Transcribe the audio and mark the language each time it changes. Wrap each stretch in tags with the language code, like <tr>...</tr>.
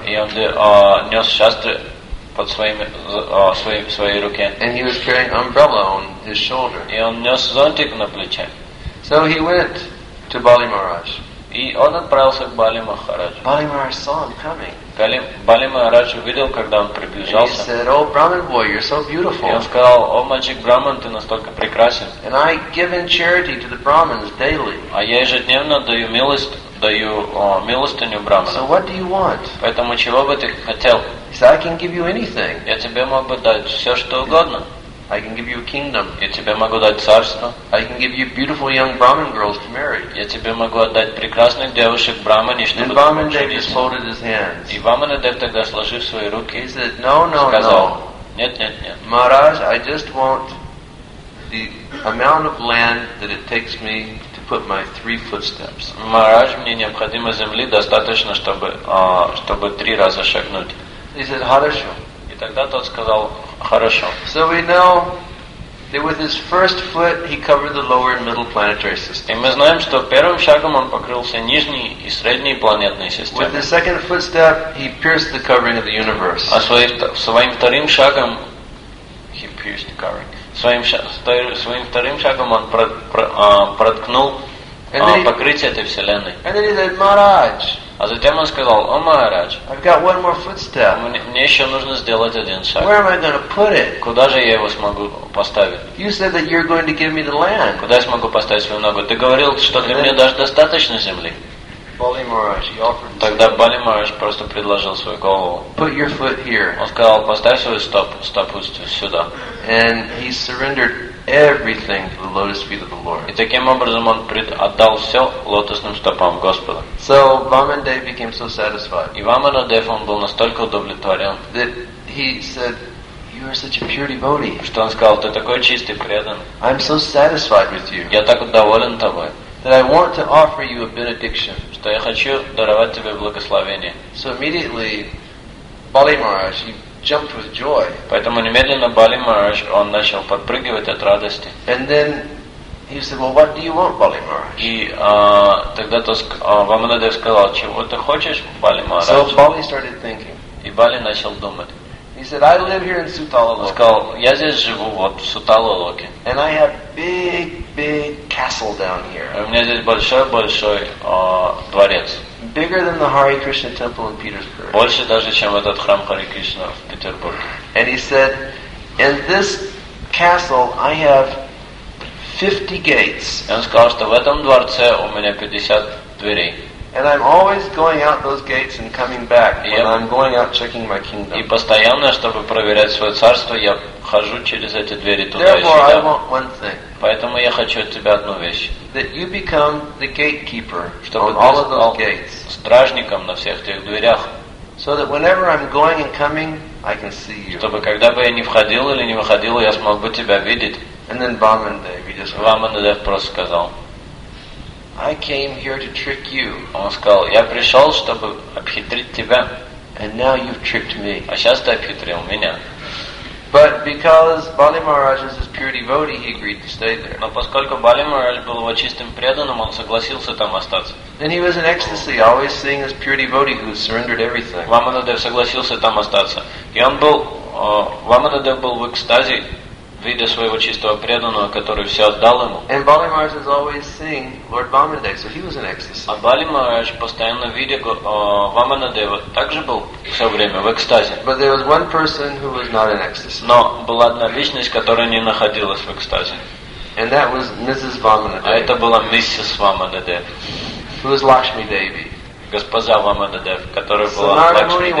<ru>И он нес шастры под своей руке.</ru> <en>And he was carrying umbrella on his shoulder.</en> <ru>И он нес зонтик на плече.</ru> <en>So he went to Bali Maharaj.</en> <ru>И он отправился к Бали Махараджу.</ru> <en>Bali Maharaj saw him coming.</en> <ru>Бали Махарадж увидел, когда он приближался.</ru> <en>And he said, "Oh, Brahmin boy, you're so beautiful."</en> <ru>И он сказал: "О, мальчик Брахман, ты настолько прекрасен."</ru> <en>And I give in charity to the Brahmins daily.</en> <ru>А я ежедневно даю милостыню Брахману.</ru> <en>So what do you want?</en> <ru>Поэтому чего бы ты хотел?</ru> <en>He said, "I can give you anything."</en> <ru>Я тебе мог бы дать все, что угодно.</ru> <en>I can give you a kingdom.</en> <ru>Я тебе могу дать царство.</ru> <en>I can give you beautiful young Brahmin girls to marry.</en> <ru>Я тебе могу отдать прекрасных девушек Брахмани, чтобы ты мог жениться.</ru> <en>And Brahmin just folded his hands.</en> <ru>И Вамадев тогда, сложив свои руки,</ru> <en>he said, "No, no,</en> <ru>сказал,</ru> <en>no.</en> <ru>Нет, нет, нет.</ru> <en>Maharaj, I just want the amount of land that it takes me to put my 3 footsteps.</en> <ru>Maharaj, мне необходимо земли достаточно, чтобы 3 раза шагнуть.</ru> <en>He said,</en> <ru>"Хорошо." И тогда тот сказал. Хорошо.</ru> <en>So we know that with his first foot he covered the lower and middle planetary system.</en> <ru>И мы знаем, что первым шагом он покрылся нижней и средней планетной системой.</ru> <en>With his second footstep he pierced the covering of the universe.</en> <ru>А своим вторым шагом</ru> <en>he pierced the covering.</en> <ru>Своим вторым шагом он проткнул покрытие этой вселенной.</ru> <en>And then he said, Maharaj.</en> <ru>А затем он сказал: "О, Махарадж,</ru> <en>I've got one more footstep.</en> <ru>Мне еще нужно сделать один шаг.</ru> <en>Where am I going to put it?</en> <ru>Куда же я его смогу поставить?</ru> <en>You said that you're going to give me the land.</en> <ru>Куда я смогу поставить свою ногу? Ты говорил, что для меня даже достаточно земли.</ru> <en>Bali Maharaj, he offered.</en> <ru>Тогда Бали Махарадж просто предложил свою голову.</ru> <en>Put your foot here.</en> <ru>Он сказал: "Поставь свою стопу сюда."</ru> <en>And he surrendered everything to the lotus feet of the Lord.</en> <ru>И таким образом он предотдал все лотосным стопам Господа.</ru> <en>So Vamanadeva became so satisfied.</en> <ru>И Vamanadeva он был настолько удовлетворен.</ru> <en>That he said, "You are such a pure devotee."</en> <ru>Что он сказал, ты такой чистый предан.</ru> <en>I'm so satisfied with you.</en> <ru>Я так доволен тобой.</ru> <en>That I want to offer you a benediction.</en> <ru>Что я хочу даровать тебе благословение.</ru> <en>So immediately, Bali Maharaj, he jumped with joy.</en> <ru>Поэтому немедленно Бали Махарадж он начал подпрыгивать от радости.</ru> <en>And then he said, "Well, what do you want, Bali Maharaj?"</en> <ru>И тогда Vamanadeva сказал, чего ты хочешь, Бали Махарадж?</ru> <en>So Bali started thinking.</en> <ru>И Бали начал думать.</ru> <en>He said, "I live here in Sutala Loki."</en> <ru>Он сказал, я здесь живу вот в Сутала Локе.</ru> <en>And I have big, big castle down here.</en> <ru>У меня здесь большой дворец.</ru> <en>Bigger than the Hare Krishna temple in Petersburg.</en> <ru>Больше даже чем этот храм Харе Кришна в Петербурге.</ru> <en>And he said, "In this castle, I have 50 gates."</en> <ru>Он сказал, что в этом дворце у меня 50 дверей.</ru> <en>And I'm always going out those gates and coming back when I'm going out checking my kingdom.</en> <ru>И постоянно, чтобы проверять свое царство, я хожу через эти двери туда и сюда.</ru> <en>Therefore, I want one thing.</en> <ru>Поэтому я хочу от тебя одну вещь.</ru> <en>That you become the gatekeeper on all of those gates.</en> <ru>Стражником на всех тех дверях.</ru> <en>So that whenever I'm going and coming, I can see you.</en> <ru>Чтобы когда бы я ни входил или не выходил, я смог бы тебя видеть.</ru> <en>And then Vamanadeva just said.</en> <ru>Vamanadeva просто сказал.</ru> <en>I came here to trick you.</en> <ru>Он сказал, я пришел, чтобы обхитрить тебя.</ru> <en>And now you've tricked me.</en> <ru>А сейчас ты обхитрил меня.</ru> <en>But because Bali Maharaj is his pure devotee, he agreed to stay there.</en> <ru>Но поскольку Бали Махарадж был его чистым преданным, он согласился там остаться.</ru> <en>Then he was in ecstasy, always seeing his pure devotee who surrendered everything.</en> <ru>Vamanadeva согласился там остаться. И он был, Vamanadeva был в экстазе, видя своего чистого преданного, который все отдал ему.</ru> <en>And Bali Maharaj is always seeing Lord Vamanadeva, so he was in ecstasy.</en> <ru>А Бали Махарадж, постоянно видя Vamanadeva, также был все время в экстазе.</ru> <en>But there was one person who was not in ecstasy.</en> <ru>Но была одна личность, которая не находилась в экстазе.</ru> <en>And that was Mrs. Vamanadeva.</en> <ru>А это была миссис Vamanadeva.</ru> <en>Who was Lakshmi Devi.</en> <ru>Госпожа Vamanadeva, которая была Лакшми Деви.</ru>